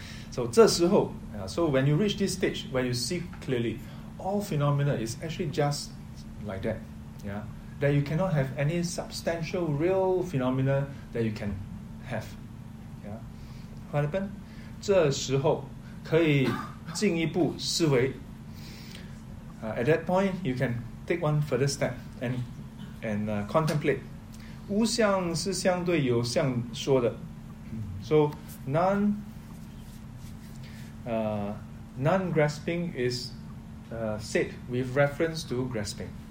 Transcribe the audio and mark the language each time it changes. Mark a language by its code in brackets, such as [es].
[en] So, [zh] 这时候, [en] so when you reach this stage where you see clearly, all phenomena is actually just like that, yeah. That you cannot have any substantial real phenomena that you can have, yeah. What happened? [zh] 这时候, 可以进一步思维. [en] At that point, you can take one further step and contemplate. [zh] 无相是相对有相说的. [en] So, non-grasping is said with reference to grasping.